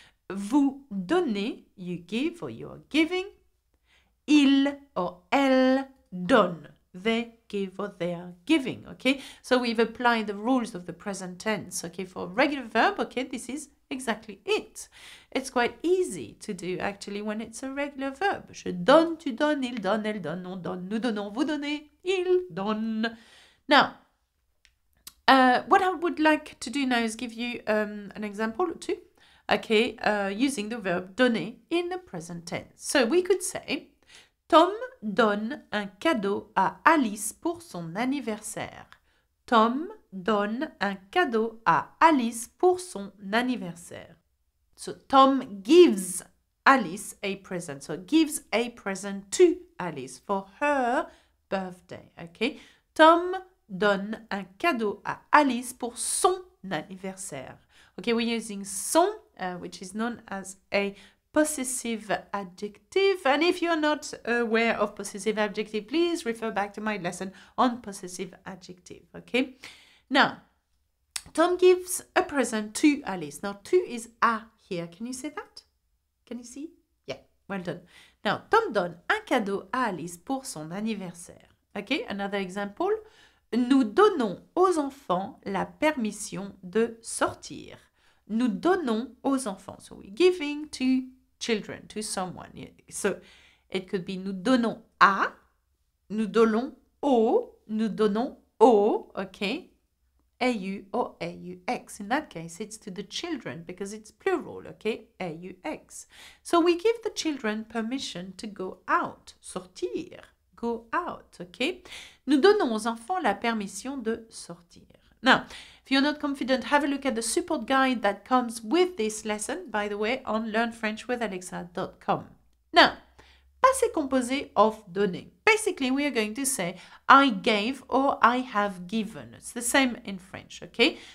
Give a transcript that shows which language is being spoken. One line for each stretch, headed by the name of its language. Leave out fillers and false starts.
French: Vous donnez,
English: you give or you are giving. Il or
French: elle donne.
English: They give or they are giving, okay? So we've applied the rules of the present tense, okay? For a regular verb, okay, this is exactly it. It's quite easy to do, actually, when it's a regular verb.
French: Je donne, tu donnes, il donne, elle donne, on donne, nous donnons, vous donnez, il donne.
English: Now, what I would like to do now is give you an example or two, okay, using the verb donner in the present tense. So we could say,
French: Tom donne un cadeau à Alice pour son anniversaire. Tom donne un cadeau à Alice pour son anniversaire.
English: So Tom gives Alice a present. So gives a present to Alice for her birthday. Okay.
French: Tom donne un cadeau à Alice pour son anniversaire.
English: Okay, we're using son, which is known as a possessive adjective, and if you're not aware of possessive adjective, please refer back to my lesson on possessive adjective, okay? Now, Tom gives a present to Alice. Now, to is à here. Can you say that? Can you see? Yeah, well done. Now,
French: Tom donne un cadeau à Alice pour son anniversaire.
English: Okay, another example.
French: Nous donnons aux enfants la permission de sortir. Nous donnons aux enfants.
English: So, we're giving to children, to someone. So it could be
French: nous donnons à, nous donnons au, nous donnons au, okay?
English: A-U or A-U-X. In that case, it's to the children because it's plural, okay? A-U-X. So we give the children permission to go out, sortir, go out, okay?
French: Nous donnons aux enfants la permission de sortir.
English: Now, if you're not confident, have a look at the support guide that comes with this lesson, by the way, on learnfrenchwithalexa.com. Now, passé composé of donner. Basically, we are going to say, I gave or I have given. It's the same in French, okay?